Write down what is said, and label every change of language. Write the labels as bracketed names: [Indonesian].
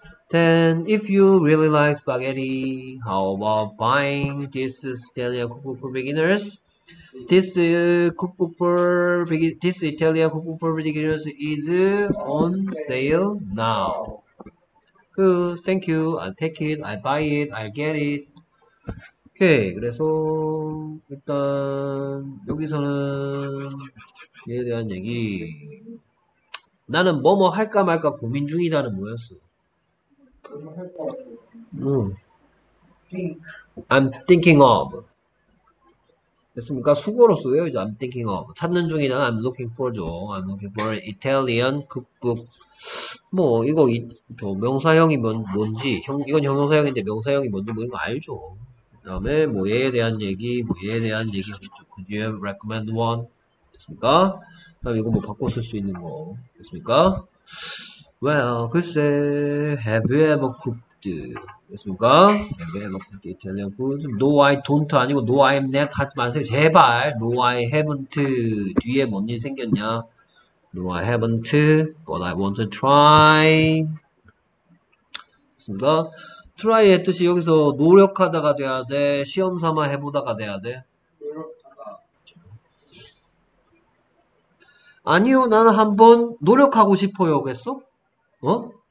[English] Then, if you really like spaghetti, how about buying this Italian cookbook for beginners? This Italian cookbook for beginners is on sale now. Good, thank you. I'll take it. I'll buy it. I'll get it. [Korean] 오케이, 그래서 일단 여기서는 얘에 대한 얘기. 나는 뭐뭐 할까 말까 고민 중이다는 뭐였어? [English] I'm thinking of. [Korean] 됐습니까? 수고로서 외우죠. [English] I'm thinking of. [Korean] 찾는 중이다. [English] I'm looking for죠. I'm looking for an Italian cookbook. [Korean] 뭐 이거 저 명사형이 뭔지, 이건 형용사형인데 명사형이 뭔지 뭐 이거 알죠. 그다음에 뭐 얘에 대한 얘기, 뭐 얘에 대한 얘기 그쪽 [English] Could you recommend one? [Korean] 됐습니까? 그럼 이거 뭐 바꿔 쓸수 있는 거 됐습니까? [English] Well, [Korean] 글쎄, [English] have you ever cooked? [Korean] 됐습니까? [English] Have you ever cooked Italian food? No, I don't [Korean] 아니고 [English] No, I'm not [Korean] 하지 마세요. 제발 [English] No, I haven't [Korean] 뒤에 뭔일 생겼냐? [English] No, I haven't, but I want to try. [Korean] 됐습니까? try 했듯이 여기서 노력하다가 돼야 돼. 시험 삼아 해보다가 돼야 돼. 아니요, 나는 한번 노력하고 싶어요. 그랬어? 어?